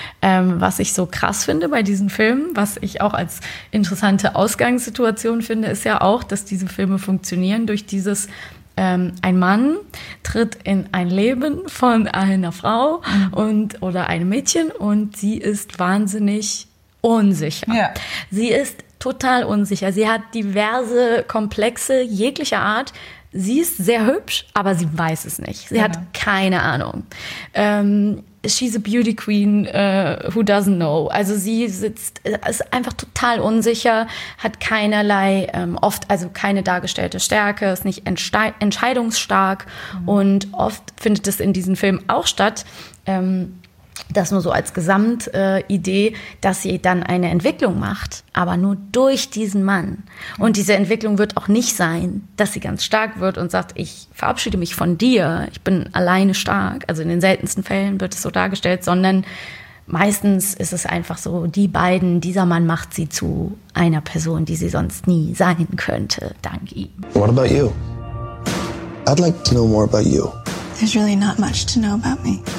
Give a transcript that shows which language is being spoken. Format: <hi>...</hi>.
<de>Was ich so krass finde bei diesen Filmen, was ich auch als interessante Ausgangssituation finde, ist ja auch, dass diese Filme funktionieren durch dieses, ein Mann tritt in ein Leben von einer Frau und oder einem Mädchen und sie ist wahnsinnig unsicher. Ja. Sie ist total unsicher. Sie hat diverse Komplexe jeglicher Art. Sie ist sehr hübsch, aber sie weiß es nicht. Sie hat keine Ahnung.</de> <en>She's a beauty queen, who doesn't know.</en> <de>Also sie ist einfach total unsicher, hat keinerlei, keine dargestellte Stärke, ist nicht entscheidungsstark. Mhm. Und oft findet es in diesen Filmen auch statt, das nur so als Gesamtidee, dass sie dann eine Entwicklung macht, aber nur durch diesen Mann. Und diese Entwicklung wird auch nicht sein, dass sie ganz stark wird und sagt, ich verabschiede mich von dir, ich bin alleine stark. Also in den seltensten Fällen wird es so dargestellt, sondern meistens ist es einfach so, die beiden, dieser Mann macht sie zu einer Person, die sie sonst nie sein könnte, dank ihm.</de> <en>What about you? I'd like to know more about you. There's really not much to know about me.</en>